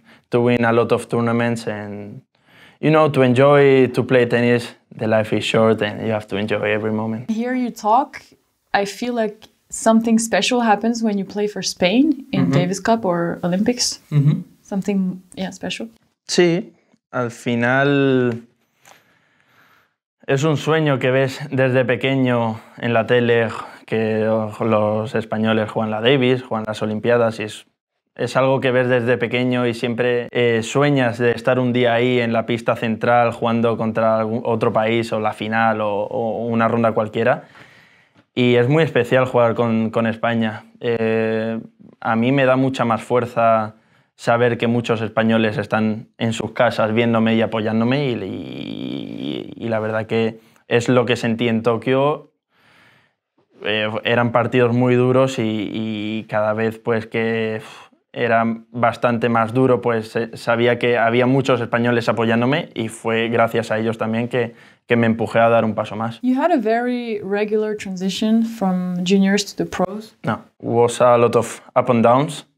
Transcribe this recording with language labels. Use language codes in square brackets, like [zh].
[en] To win a lot of tournaments and, you know, to enjoy, to play tennis. The life is short and you have to enjoy every moment. Hear you talk, I feel like something special happens when you play for Spain in Davis Cup or Olympics. Mm-hmm. Something, yeah, special. [es] Sí, al final es un sueño que ves desde pequeño en la tele, que los españoles juegan la Davis, juegan las Olimpiadas y es Es algo que ves desde pequeño y siempre sueñas de estar un día ahí en la pista central jugando contra algún otro país o la final o una ronda cualquiera. Y es muy especial jugar con España. A mí me da mucha más fuerza saber que muchos españoles están en sus casas viéndome y apoyándome y la verdad que es lo que sentí en Tokio. Eran partidos muy duros y cada vez pues que era bastante más duro, pues sabía que había muchos españoles apoyándome y fue gracias a ellos también que me empujé a dar un paso más. [en] You had a very regular transition from juniors to the pros. No, was a lot of up and downs.